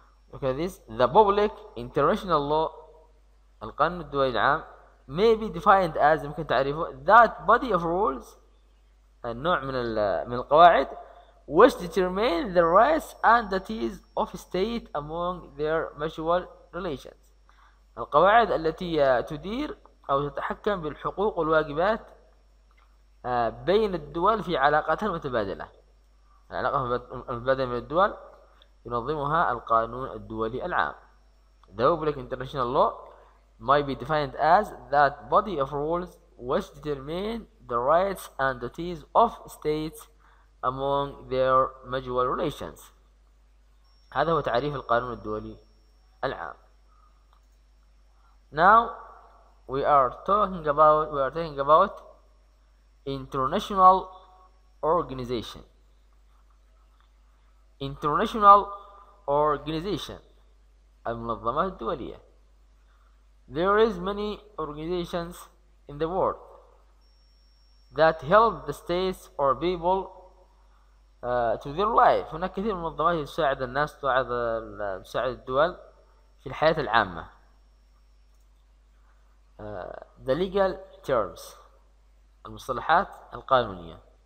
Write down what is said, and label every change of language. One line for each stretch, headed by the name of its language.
English: Look at this. The public international law,
Arabic: القانون الدولي العام,
English: may be defined as,
Arabic: ممكن تعرفه,
English: that body of rules,
Arabic: النوع من القواعد,
English: which determine the rights and duties of state among their mutual relations.
Arabic: القواعد التي تدير أو تتحكم بالحقوق والواجبات بين الدول في علاقتها المتبادلة. العلاقة المتبادلة بين الدول ينظمها القانون الدولي العام.
English: The public international law might be defined as that body of rules which determine the rights and duties of states among their mutual relations.
Arabic: هذا هو تعريف القانون الدولي العام.
English: Now we are talking about international organization. International organization,
Arabic: المنظمات الدولية.
English: There is many organizations in the world that help the states or people to their life.
Arabic: هناك كثير من المنظمات تساعد الناس, تساعد الدول في الحياة العامة.
English: The legal terms,
Arabic: المصطلحات القانونية.